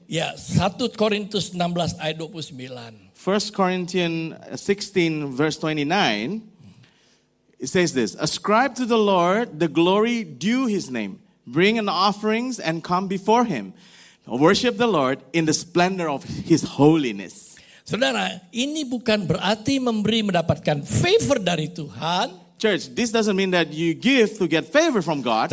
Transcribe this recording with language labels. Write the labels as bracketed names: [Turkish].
[Indonesian] Ya, 1 Korintus 16 ayat 29. [English] 1 Corinthians 16 verse 29. It says this, ascribe to the Lord the glory due his name. Bring an offering and come before him. Worship the Lord in the splendor of his holiness. [Indonesian] Saudara, ini bukan berarti memberi mendapatkan favor dari Tuhan. [English] Church, this doesn't mean that you give to get favor from God.